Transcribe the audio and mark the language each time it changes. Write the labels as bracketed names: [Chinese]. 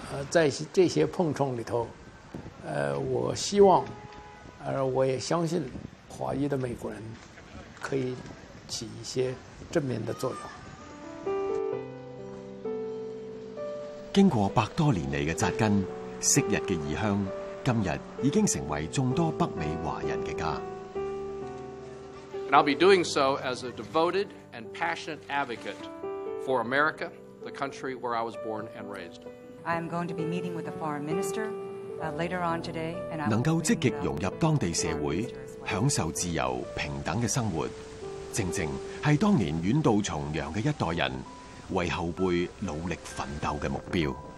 [Chinese] 在这些碰撞里头，我希望，我也相信华裔的美国人可以起一些正面的作用。经过百多年来的扎根，昔日的异乡今日已经成为众多北美华人的家。 [English] And I'll be doing so as a devoted and passionate advocate for America, the country where I was born and raised. I am going to be meeting with the foreign minister later on today. [Chinese] 能够积极融入当地社会，享受自由平等的生活，正正是当年远渡重洋的一代人为后辈努力奋斗的目标。